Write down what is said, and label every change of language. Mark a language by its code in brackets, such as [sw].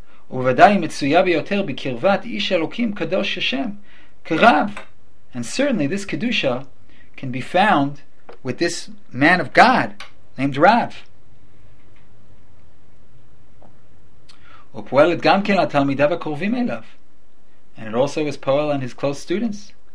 [he] ובוודאי מצויה ביותר בקרבת איש אלוקים קדוש השם כרב. [en] And certainly this Kedusha can be found with this man of God named Rav. [he] ופועלת גם כן לתלמידיו הקרובים אליו. [en] And it also is poel on his close students.